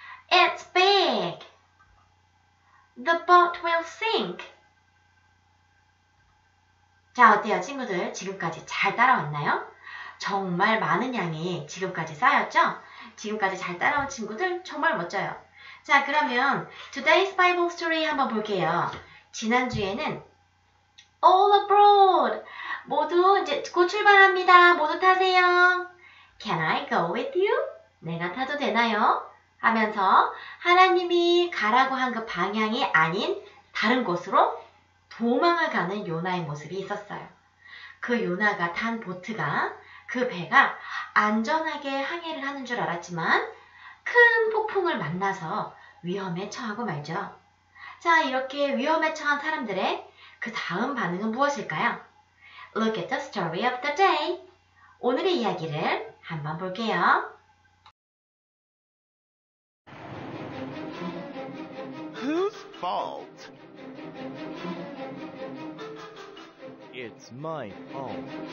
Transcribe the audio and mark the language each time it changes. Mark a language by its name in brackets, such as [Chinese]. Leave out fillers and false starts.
[English] It's big! The boat will sink. [Korean] 자, 어때요, 친구들? 지금까지 잘 따라왔나요? 정말 많은 양이 지금까지 쌓였죠? 지금까지 잘 따라온 친구들 정말 멋져요. 자, 그러면 [English] Today's Bible Story [Korean] 한번 볼게요. 지난주에는 [English] All aboard! [Korean] 모두 이제 곧 출발합니다. 모두 타세요. [English] Can I go with you? [Korean] 내가 타도 되나요? 하면서 하나님이 가라고 한 그 방향이 아닌 다른 곳으로 도망을 가는 요나의 모습이 있었어요. 그 요나가 탄 보트가 그 배가 안전하게 항해를 하는 줄 알았지만 큰 폭풍을 만나서 위험에 처하고 말죠. 자, 이렇게 위험에 처한 사람들의 그 다음 반응은 무엇일까요? [English] Look at the story of the day. [Korean] 오늘의 이야기를 한번 볼게요. [English] Whose fault? It's my fault.